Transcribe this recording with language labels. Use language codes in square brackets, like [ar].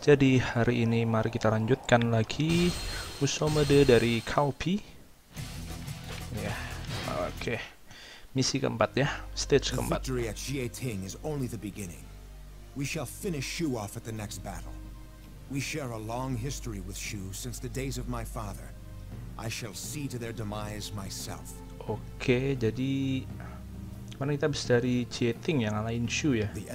[id] Jadi hari ini mari kita lanjutkan lagi Usomede dari Kaupi. Ya, oke. Misi keempat ya, stage keempat. [en] The victory at Xie Ting is only the beginning. We shall finish Shu off at the next battle. We share a long history with Shu since the days of my father. I shall see to their demise myself. [id] Oke, jadi mana kita habis dari Xie Ting yang ngalahin Shu ya.